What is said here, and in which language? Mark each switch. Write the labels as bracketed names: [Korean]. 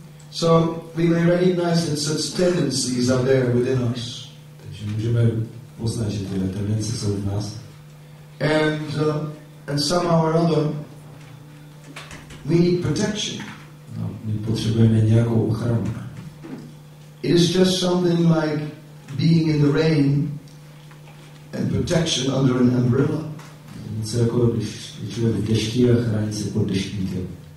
[English] So we may recognize that such tendencies are there within us. [Czech] Takže můžeme poznat, že tyhle tendence jsou v nás. [English] And somehow or other, we need protection. [Czech] No, my potřebujeme nějakou ochranu. [English] It is just something like being in the rain and protection under an umbrella. [Czech] Něco jako když člověk v dešti a chrání se pod deštníkem.